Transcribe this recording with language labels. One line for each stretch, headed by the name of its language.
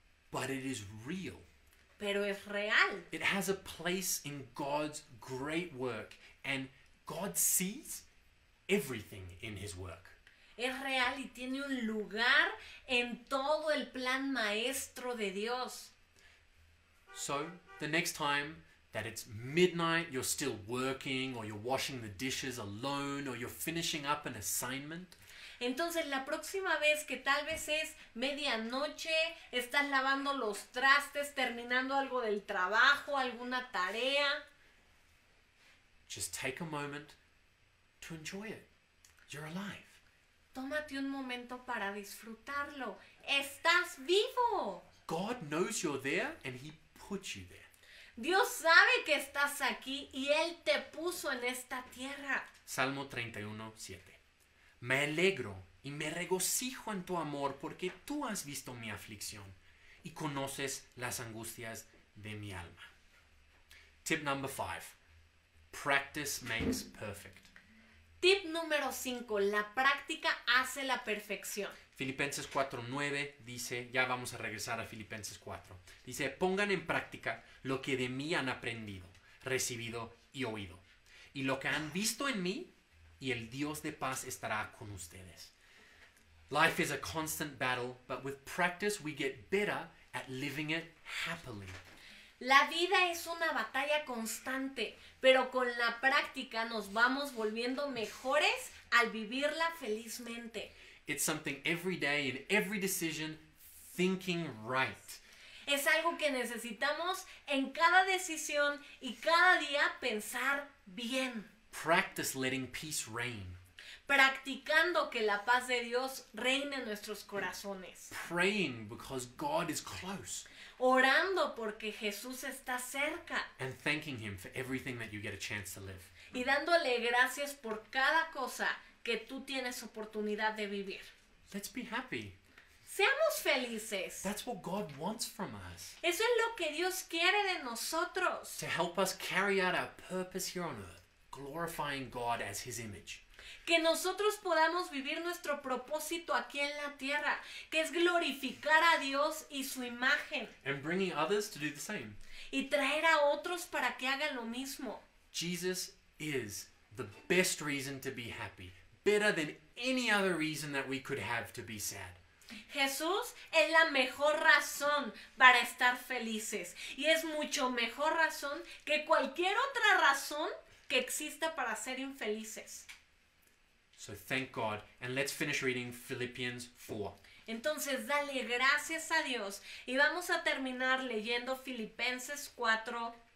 English: But it is real.
Spanish: Pero es real.
English: It has a place in God's great work, and God sees everything in his work.
Spanish: Es real y tiene un lugar en todo el plan maestro de Dios.
English: So, the next time that it's midnight, you're still working, or you're washing the dishes alone, or you're finishing up an assignment.
Spanish: Entonces, la próxima vez que tal vez es medianoche, estás lavando los trastes, terminando algo del trabajo, alguna tarea.
English: Just take a moment to enjoy it. You're alive.
Spanish: Tómate un momento para disfrutarlo. ¡Estás vivo!
English: God knows you're there and he put you there.
Spanish: Dios sabe que estás aquí y él te puso en esta tierra. Salmo 31:7. Me alegro y me regocijo en tu amor porque tú has visto mi aflicción y conoces las angustias de mi alma.
English: Tip number 5. Practice makes perfect.
Spanish: Tip número 5. La práctica hace la perfección. Filipenses 4:9 dice, ya vamos a regresar a Filipenses 4. Dice, pongan en práctica lo que de mí han aprendido, recibido y oído. Y lo que han visto en mí, y el Dios de paz estará con ustedes.
English: Life is a constant battle, but with practice we get better at living it happily.
Spanish: La vida es una batalla constante, pero con la práctica nos vamos volviendo mejores al vivirla felizmente.
English: It's something every day in every decision, thinking right.
Spanish: Es algo que necesitamos en cada decisión y cada día pensar bien.
English: Practice letting peace reign.
Spanish: Practicando que la paz de Dios reine en nuestros corazones.
English: Praying because God is close.
Spanish: Orando porque Jesús está cerca.
English: And thanking him for everything that you get a chance to live.
Spanish: Y dándole gracias por cada cosa que tú tienes oportunidad de vivir.
English: Let's be happy.
Spanish: Seamos felices.
English: That's what God wants from us.
Spanish: Eso es lo que Dios quiere de nosotros.
English: To help us carry out our purpose here on earth, glorifying God as his image.
Spanish: Que nosotros podamos vivir nuestro propósito aquí en la tierra, que es glorificar a Dios y su imagen.
English: And bringing others to do the same.
Spanish: Y traer a otros para que hagan lo mismo.
English: Jesus is the best reason to be happy. Better than any other reason that we could have to be sad.
Spanish: Jesús es la mejor razón para estar felices. Y es mucho mejor razón que cualquier otra razón que exista para ser infelices.
English: So thank God. And let's finish reading Philippians 4.
Spanish: Entonces dale gracias a Dios. Y vamos a terminar leyendo Filipenses 4.